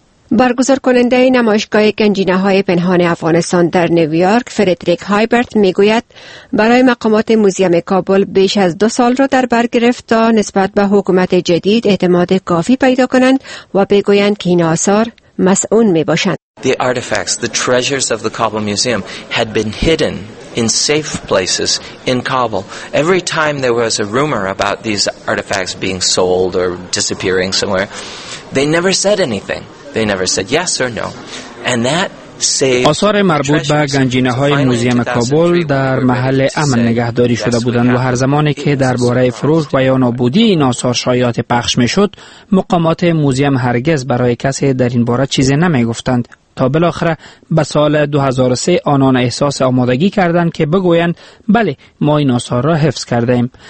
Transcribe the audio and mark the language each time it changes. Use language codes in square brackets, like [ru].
[fa] برگزار کننده نمایشگاه گنجینه‌های پنهان افغانستان در نیویورک فردریک هایبرت میگوید برای مقامات موزیم کابل بیش از 2 سال را در بر گرفت تا نسبت به حکومت جدید اعتماد کافی پیدا کنند و بگویند که این آثار مسئول میباشند. [en] The artifacts, the treasures of the Kabul Museum had been hidden in safe places in Kabul. Every time there was a rumor about these artifacts being sold or disappearing somewhere, they never said anything. They never said yes or no. And that [fa] آثار مربوط به گنجینه‌های موزیم کابل در محل امن نگهداری شده بودند و هر زمانی که درباره فروش و یا نابودی این آثار شایعات پخش می‌شد، مقامات موزیم هرگز برای کسی در این باره چیزی نمی‌گفتند تا بالاخره به سال 2003 آنان احساس آمادگی کردند که بگویند بله ما این آثار را حفظ کرده‌ایم.